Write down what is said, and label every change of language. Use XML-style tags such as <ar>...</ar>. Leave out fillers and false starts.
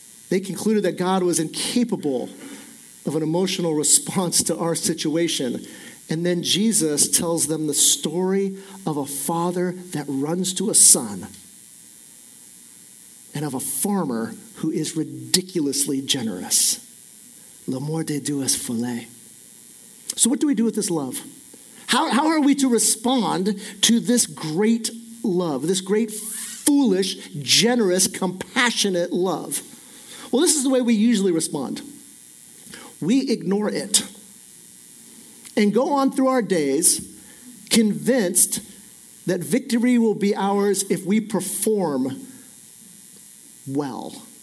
<en>They concluded that God was incapable of an emotional response to our situation. And then Jesus tells them the story of a father that runs to a son and of a farmer who is ridiculously generous.</en> <fr>L'amour de Dieu est folle.</fr> <en>So what do we do with this love? How are we to respond to this great love, this great foolish, generous, compassionate love? Well, this is the way we usually respond. We ignore it and go on through our days convinced that victory will be ours if we perform well.</en>